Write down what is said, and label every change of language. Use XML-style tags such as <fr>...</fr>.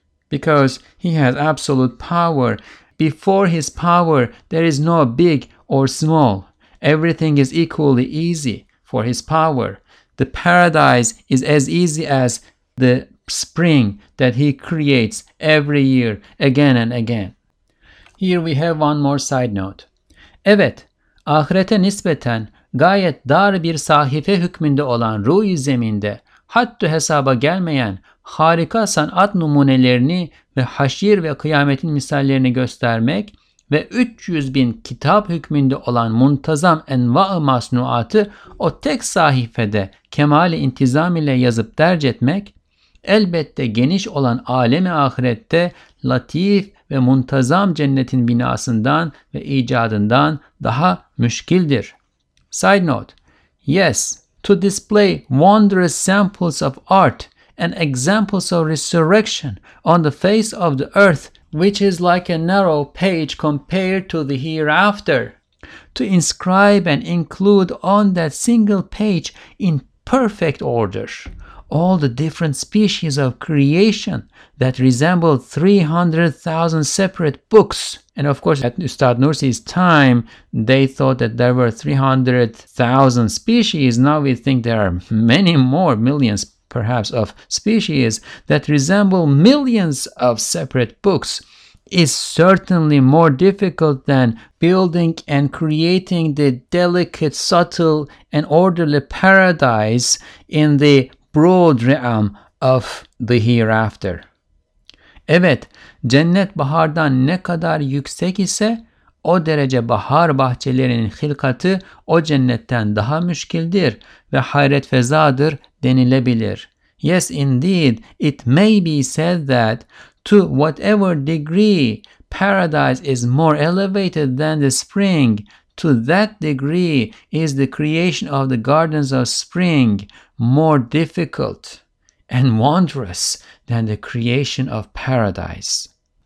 <en>Because he has absolute power. Before his power, there is no big or small. Everything is equally easy for his power. The paradise is as easy as the spring that he creates every year, again and again. Here we have one more side note.</en> <tr>Evet, ahirete nispeten gayet dar bir sahife hükmünde olan ruh-i zeminde haddü hesaba gelmeyen harika sanat numunelerini ve haşir ve kıyametin misallerini göstermek ve 300 bin kitap hükmünde olan muntazam enva-ı masnuatı o tek sahifede kemal-i intizam ile yazıp derc etmek, elbette geniş olan alemi ahirette latif ve muntazam cennetin binasından ve icadından daha müşkildir.</tr> <en>Side note, yes, to display wondrous samples of art and examples of resurrection on the face of the earth, which is like a narrow page compared to the hereafter, to inscribe and include on that single page in perfect order all the different species of creation that resembled 300,000 separate books. And of course, at Ustad Nursi's time, they thought that there were 300,000 species. Now we think there are many more millions, perhaps, of species that resemble millions of separate books. Is certainly more difficult than building and creating the delicate, subtle, and orderly paradise in the broad realm of the hereafter.</en> <tr>Evet, cennet bahardan ne kadar yüksek ise, o derece bahar bahçelerinin hilkatı o cennetten daha müşkildir ve hayret fezadır denilebilir.</tr> <en>Yes, indeed, it may be said that to whatever degree paradise is more elevated than the spring, to that degree is the creation of the gardens of spring more difficult and wondrous than the creation of paradise.</en>